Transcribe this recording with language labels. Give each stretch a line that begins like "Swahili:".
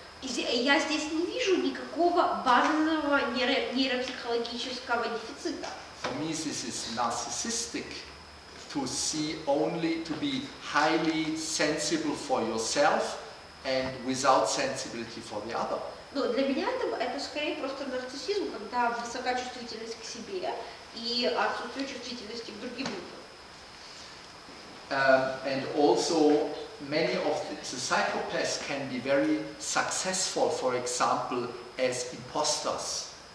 Russian: Я здесь не вижу никакого базового нейропсихологического дефицита.
English: For me, this is narcissistic to see only to be highly sensible for yourself and without sensibility for the other.
Russian: Но для меня это скорее просто нарциссизм, когда высока чувствительность к себе и отсутствие чувствительности к другим людям.
English: And also many of the psychopaths can be very successful, for example, as imposters.